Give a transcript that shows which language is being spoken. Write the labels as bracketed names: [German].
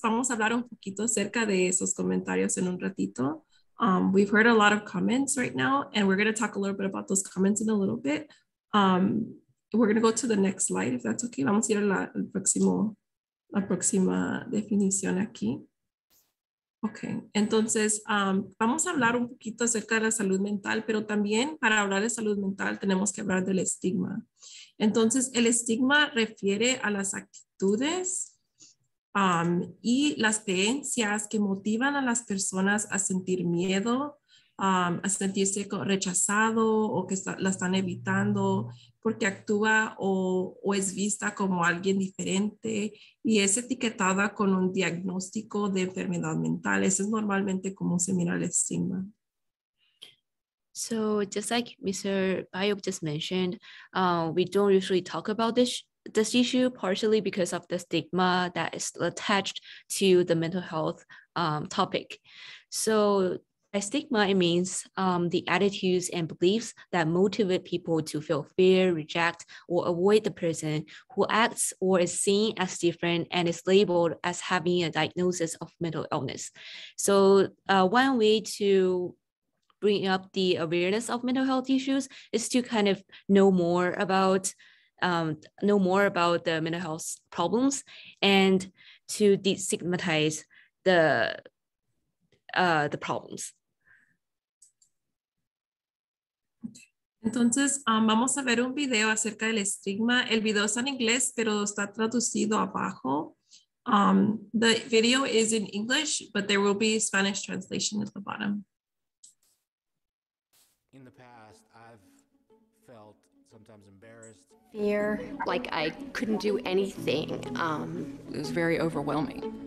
[Spanish] Vamos a hablar un poquito acerca de esos comentarios en un ratito. [English] We've heard a lot of comments right now, and we're going to talk a little bit about those comments in a little bit. We're going to go to the next slide, if that's okay. [Spanish] Vamos a ir a la próxima definición aquí. Okay, entonces vamos a hablar un poquito acerca de la salud mental, pero también para hablar de salud mental tenemos que hablar del estigma. Entonces, el estigma refiere a las actitudes y las creencias que motivan a las personas a sentir miedo, a sentirse rechazado o que la están evitando porque actúa o es vista como alguien diferente y es etiquetada con un diagnóstico de enfermedad mental. Eso es normalmente como se mira el estigma. [English] So just like Mr. Bayuk just mentioned, we don't usually talk about this issue partially because of the stigma that is attached to the mental health topic. So by stigma, it means the attitudes and beliefs that motivate people to feel fear, reject, or avoid the person who acts or is seen as different and is labeled as having a diagnosis of mental illness. So one way to bringing up the awareness of mental health issues is to kind of know more about the mental health problems and to destigmatize the problems. [Spanish] Entonces, vamos a ver un video acerca del estigma. El video está en inglés, pero está traducido abajo. [English] The video is in English, but there will be Spanish translation at the bottom. In the past, I've felt sometimes embarrassed. Fear, like I couldn't do anything. It was very overwhelming.